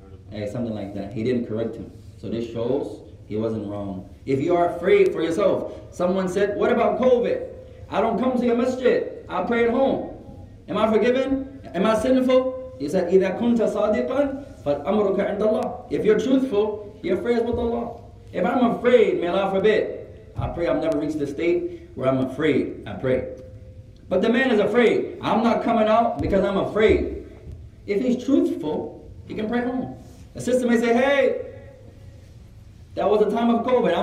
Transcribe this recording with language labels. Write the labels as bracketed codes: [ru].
[en] Hey, something like that. He didn't correct him. So this shows he wasn't wrong. If you are afraid for yourself, someone said, what about COVID? I don't come to your masjid. I pray at home. Am I forgiven? Am I sinful? He said, [ar] إِذَا كُنْتَ صَادِقًا فَالْأَمْرُكَ عِنْدَ اللَّهِ. [en] If you're truthful, you're afraid with Allah. If I'm afraid, may Allah forbid, I pray I've never reached the state where I'm afraid. I pray. But the man is afraid. I'm not coming out because I'm afraid. If he's truthful, he can pray home. The sister may say, hey, that was a time of COVID.